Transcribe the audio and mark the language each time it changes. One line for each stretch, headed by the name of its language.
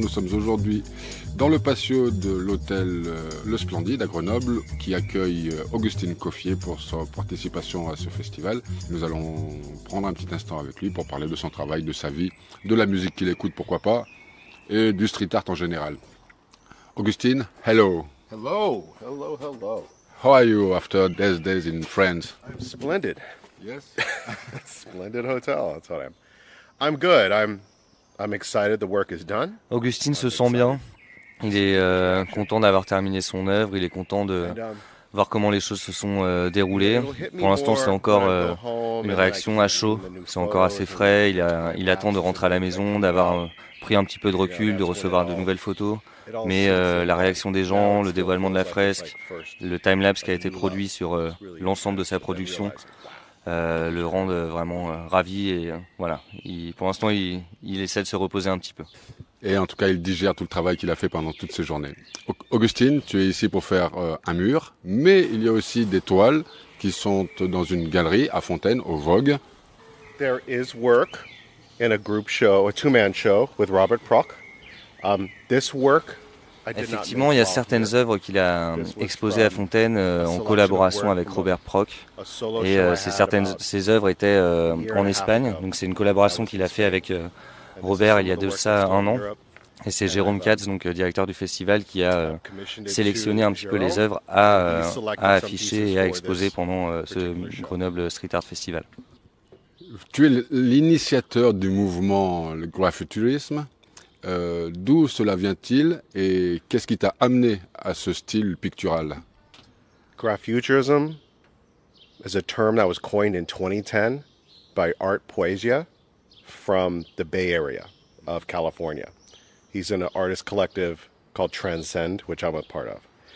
French: Nous sommes aujourd'hui dans le patio de l'hôtel Le Splendide à Grenoble qui accueille Augustine Coffier pour sa participation à ce festival. Nous allons prendre un petit instant avec lui pour parler de son travail, de sa vie, de la musique qu'il écoute, pourquoi pas, et du street art en général.
English: Augustine, hello. Hello, hello, hello. How are you after these days in France? I'm splendid. Yes? Splendid hotel, that's what I am. I'm good. I'm excited. The work is done.
French: Augustine se sent bien. Il est content d'avoir terminé son œuvre. Il est content de voir comment les choses se sont déroulées. Pour l'instant, c'est encore une réaction à chaud. C'est encore assez frais. Il attend de rentrer à la maison, d'avoir pris un petit peu de recul, de recevoir de nouvelles photos. Mais la réaction des gens, le dévoilement de la fresque, le timelapse qui a été produit sur l'ensemble de sa production, le rend vraiment ravi et voilà. Pour l'instant, il essaie de se reposer un petit peu. Et en tout cas, il digère tout le travail qu'il a fait pendant toutes ces journées. Augustine, tu es ici pour faire un mur, mais il y a aussi des toiles qui sont dans une galerie à Fontaine, au Vogue.
English: There is work in a group show, a two-man show with Robert Prock. This work.
French: Effectivement, il y a certaines œuvres qu'il a exposées à Fontaine en collaboration avec Robert Prock. Et ces œuvres étaient en Espagne. Donc c'est une collaboration qu'il a fait avec Robert il y a de ça un an. Et c'est Jérôme Katz, donc directeur du festival, qui a sélectionné un petit peu les œuvres à afficher et à exposer pendant ce Grenoble Street Art Festival. Tu es l'initiateur du mouvement le graffitourisme. D'où cela vient-il et qu'est-ce qui t'a amené à ce style pictural?
English: Graffutism is a term that was coined in 2010 by Art Poesia from the Bay Area of California. He's in an artist collective called Transcend, which I'm a part of.